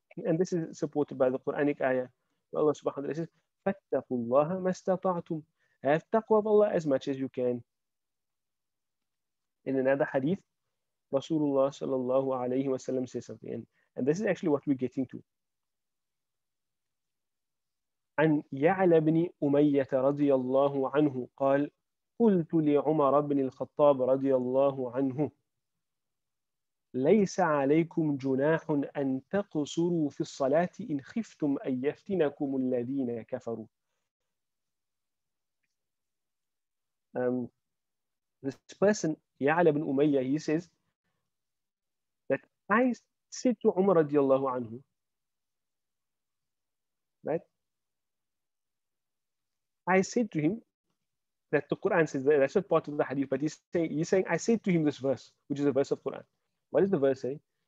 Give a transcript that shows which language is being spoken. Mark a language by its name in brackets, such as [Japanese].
[English] And this is supported by the Quranic ayah. Where Allah subhanahu wa ta'ala says, [Arabic] فَاتَّقُوا اللَّهَ مَا اسْتَطَعْتُمْ. [English] Have taqwa of Allah as much as you can. In another hadith, Rasulullah sallallahu alayhi wa sallam says something. And this is actually what we're getting to. [Arabic] عن يعلى بن أمية رضي الله عنه قال قلت لعمر بن الخطاب رضي الله عنه ليس عليكم جناح أن تقصروا في الصلاة إن خفتم أن يفتنكم الذين كفروا. [English] This person, يعلى بن أمية, he says that I said to عمر [Arabic] رضي الله عنه, [English] right? I said to him that the Quran says that, that's not part of the hadith, but he's saying, I said to him this verse, which is a verse of Quran. What does the verse say?